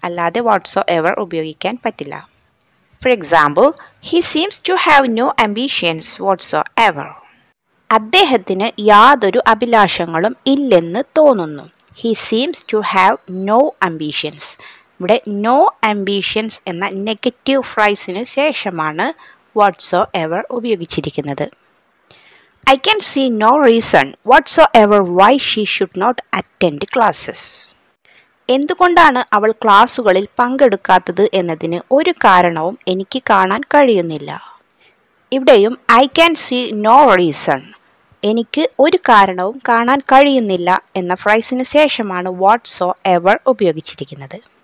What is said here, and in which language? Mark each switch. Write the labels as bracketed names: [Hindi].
[Malayalam] അല്ലാതെ വാട്ട്സോ എവർ ഉപയോഗിക്കാൻ പറ്റില്ല. [English] For example, he seems to have no ambitions whatsoever. [Malayalam] അദ്ദേഹത്തിന് യാതൊരു അഭിലാഷങ്ങളും ഇല്ലെന്ന് തോന്നുന്നു. [English] He seems to have no ambitions. [Malayalam] ഇവിടെ നോ അംബീഷൻസ് എന്ന നെഗറ്റീവ് ഫ്രൈസിന് ശേഷമാണ് വാട്ട്സോ എവർ ഉപയോഗിച്ചിരിക്കുന്നത്. [English] I can see no reason whatsoever why she should not attend classes. [Malayalam] എന്തുകൊണ്ടാണ് അവൾ ക്ലാസ്സുകളിൽ പങ്കെടുക്കാത്തത് എന്നതിന് ഒരു കാരണവും എനിക്ക് കാണാൻ കഴിയുന്നില്ല. ഇവിടെയും [English] I can see no reason, [Malayalam] എനിക്ക് ഒരു കാരണവും കാണാൻ കഴിയുന്നില്ല എന്ന ഫ്രൈസിന് ശേഷമാണ് വാട്ട്സോ എവർ ഉപയോഗിച്ചിരിക്കുന്നത്.